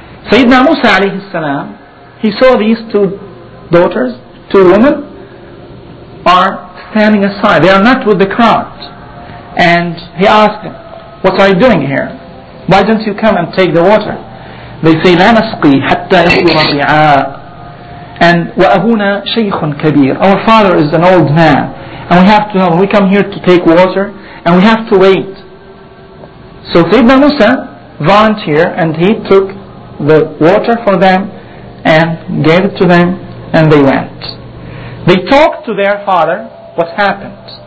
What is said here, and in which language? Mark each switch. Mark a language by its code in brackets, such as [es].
[en] Sayyidina Musa alayhi salam, he saw these two daughters, two women, are standing aside. They are not with the crowd. And he asked them, what are you doing here? Why don't you come and take the water? They say, [ar] لا نسقي حتى يصبر الرعاء. And وأبونا شيخ كبير. [en] Our father is an old man. And we have to know, we come here to take water, and we have to wait. So Sayyidina Musa volunteered, and he took the water for them, and gave it to them, and they went. They talked to their father, what happened.